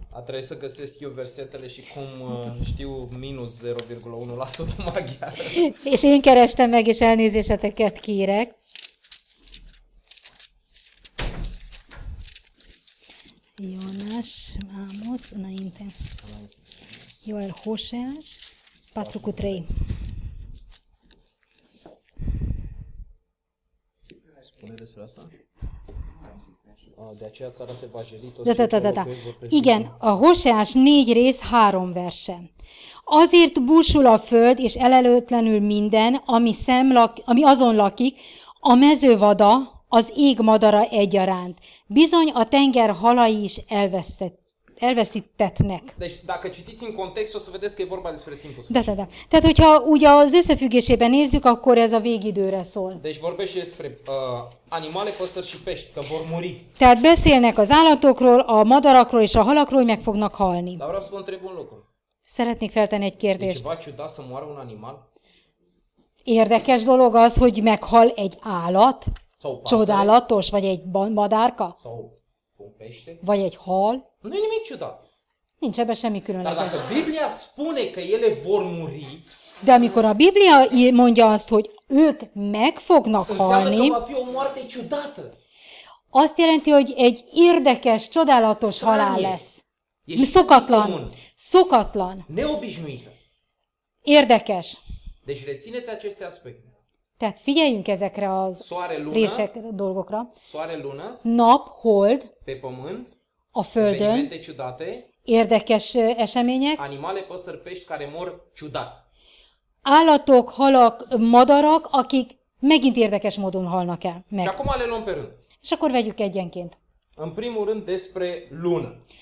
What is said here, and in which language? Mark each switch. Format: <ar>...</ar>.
<ro>A trebuie să găsesc eu versetele și cum știu minus 0,1% maghiară.</ro> <hu>És én kerestem meg, és elnézéseteket kérek.</hu> <ro>Jonas, vamos, înainte. Joel Hoseas, 4:3. Spune despre asta? De aceea țara se va jeli, toți da, da, cei da, da, care da. locuiesc vor pe</ro> <hu>Igen, a Hoseás 4 rész 3 verse. Azért búsul a föld, és elelőtlenül minden, ami azon lakik, a mezővada, az ég madara egyaránt. Bizony a tenger halai is elveszítetnek.</hu> <ro>Deci, dacă citiți în context, o să vedeți că e vorba despre timpul sfârșit. Da, da, da.</ro> <hu>Tehát, hogyha ugye az összefüggésében nézzük, akkor ez a végidőre szól.</hu> <ro>Deci vorbește despre animale, păsări și pești, că vor muri.</ro> <hu>Tehát beszélnek az állatokról, a madarakról és a halakról, hogy meg fognak halni.</hu> <ro>Dar vreau să vă întreb un lucru.</ro> <hu>Szeretnék feltenni egy kérdést.</hu> <ro>De ceva ciudat să moară un animal?</ro> <hu>Érdekes dolog az, hogy meghal egy állat. Csodálatos, vagy egy madárka? Vagy egy hal?</hu> <ro>Nu e nimic ciudat.</ro> <hu>Nincs ebben semmi különleges.</hu> <ro>Dar dacă Biblia spune că ele vor muri,</ro> <hu>de amikor a Biblia mondja azt, hogy ők meg fognak halni,</hu> <ro>va fi o moarte ciudată.</ro> <hu>Azt jelenti, hogy egy érdekes, csodálatos</hu> <ro>Stranie.</ro> <hu>Halál lesz. Szokatlan. Szokatlan.</hu> <ro>Neobișnuită.</ro> <hu>Érdekes.</hu> <ro>Deci rețineți aceste aspecte.</ro> <hu>Tehát figyeljünk ezekre az</hu> <ro>soare, luna,</ro> <hu>rések dolgokra.</hu> <ro>Soare, luna,</ro> <hu>nap, hold,</hu> <ro>pe pământ,</ro> <hu>a földön,</hu> <ro>ciudate,</ro> <hu>érdekes események,</hu> <ro>animale, păsări, pești, care mor ciudat.</ro> <hu>Állatok, halak, madarak, akik megint érdekes módon halnak el meg.</hu> <ro>Și acum le luăm pe rând.</ro> <hu>És akkor vegyük egyenként.</hu> <ro>În primul rând despre lună.</ro>